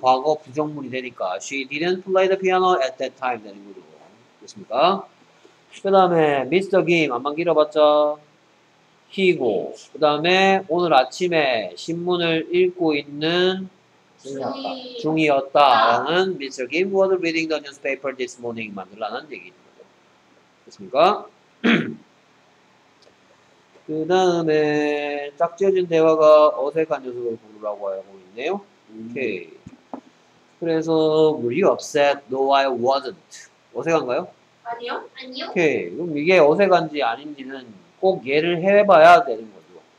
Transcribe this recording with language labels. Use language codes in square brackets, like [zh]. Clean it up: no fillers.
[ko] 과거 부정문이 되니까 [en] she didn't play the piano at that time [ko] 되는 거죠. 됐습니까? 그 다음에 Mr. Kim 안만 길어봤자 he고 그 다음에 오늘 아침에 신문을 읽고 있는 중이었다 라는 Mr. [en] Kim was reading the newspaper this morning [ko] 만들라는 얘기인 거죠. 됐습니까? 그 다음에 짝지어진 대화가 어색한 녀석을 부르라고 하고 있네요. 오케이. 그래서 [en] were you upset? No, I wasn't. [ko] 어색한가요? 아니요. 아니요. 오케이. 그럼 이게 어색한지 아닌지는 꼭 얘를 해봐야 되는 거죠.